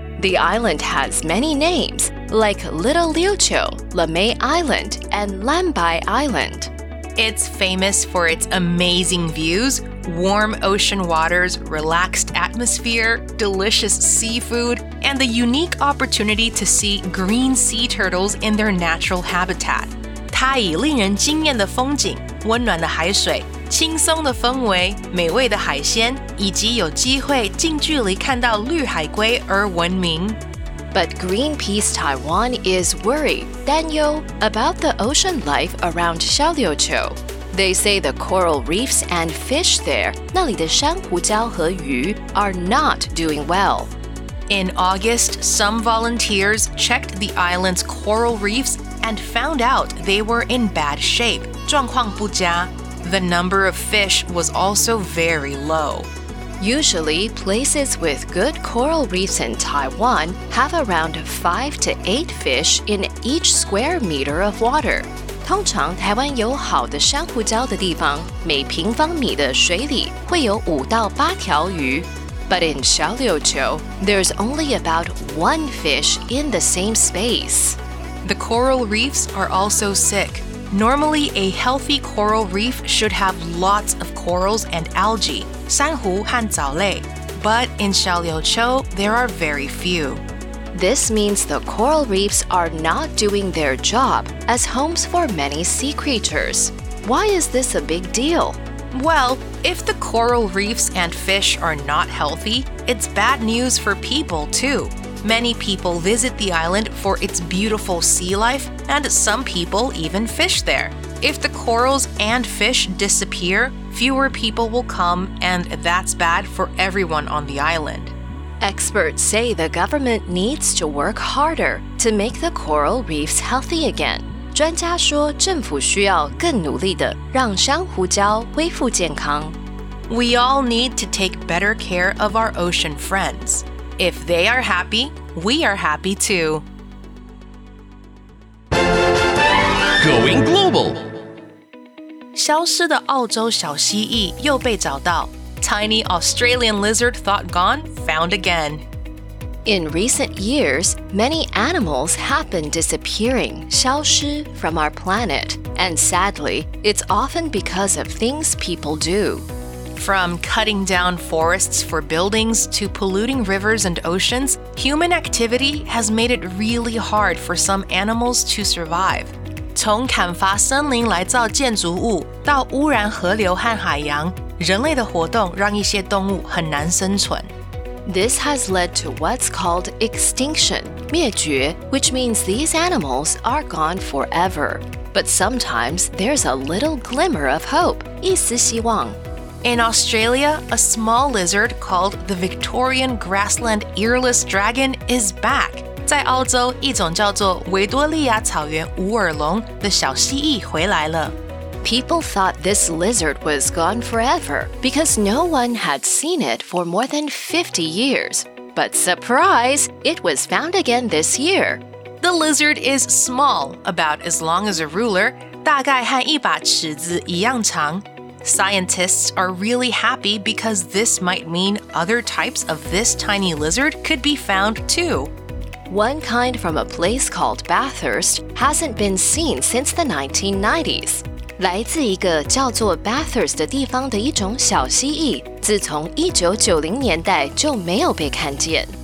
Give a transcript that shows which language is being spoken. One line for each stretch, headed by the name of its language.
English: The island has many names, like Little Liuqiu, Lamay Island, and Lambai Island. It's famous for its amazing views, warm ocean waters, relaxed atmosphere, delicious seafood, and the unique opportunity to see green sea turtles in their natural habitat.
Chinese: 它以令人驚艷的風景、溫暖的海水、輕鬆的氛圍、美味的海鮮、以及有機會近距離看到綠海龜而聞名。
English: But Greenpeace Taiwan is worried, Daniel, about the ocean life around Xiaoliuqiu. They say the coral reefs and fish there,
Chinese: 那裡的珊瑚礁和魚,
English: are not doing well. In August, some volunteers checked the island's coral reefs and found out they were in bad shape,
Chinese: 狀況不佳.
English: The number of fish was also very low. Usually, places with good coral reefs in Taiwan have around 5 to 8 fish in each square meter of water.
Chinese: 通常台湾有好的珊瑚礁的地方,每平方米的水里会有五到八条鱼。
English: But in Xiaoliuqiu, there's only about 1 fish in the same space. The coral reefs are also sick. Normally, a healthy coral reef should have lots of corals and algae,
Chinese: 珊瑚和藻類.
English: But in Xiaoliuqiu, there are very few. This means the coral reefs are not doing their job as homes for many sea creatures. Why is this a big deal? Well, if the coral reefs and fish are not healthy, it's bad news for people, too. Many people visit the island for its beautiful sea life, and some people even fish there. If the corals and fish disappear, fewer people will come, and that's bad for everyone on the island. Experts say the government needs to work harder to make the coral reefs healthy again.
Chinese: 專家說政府需要更努力地讓珊瑚礁恢復健康。
English: We all need to take better care of our ocean friends. If they are happy, we are happy too. Going global.
Chinese: 消失的澳洲小蜥蜴又被找到。
English: Tiny Australian lizard thought gone, found again. In recent years, many animals have been disappearing, 消失, from our planet. And sadly, it's often because of things people do. From cutting down forests for buildings to polluting rivers and oceans, human activity has made it really hard for some animals to survive.
Chinese: 從砍伐森林來造建築物到污染河流和海洋,人類的活動讓一些動物很難生存。
English: This has led to what's called extinction, 滅絕, which means these animals are gone forever. But sometimes there's a little glimmer of hope,
Chinese: 一絲希望.
English: In Australia, a small lizard called the Victorian grassland earless dragon is back.
Chinese: 在澳洲,一种叫做维多利亚草原无耳龙的小蜥蜴回来了。
English: People thought this lizard was gone forever because no one had seen it for more than 50 years. But surprise, it was found again this year. The lizard is small, about as long as a ruler,
Chinese: 大概和一把尺子一样长.
English: Scientists are really happy because this might mean other types of this tiny lizard could be found too. One kind from a place called Bathurst hasn't been seen since the 1990s.
Chinese: 来自一个叫做 Bathurst 的地方的一种小蜥蜴,自从1990年代就没有被看见。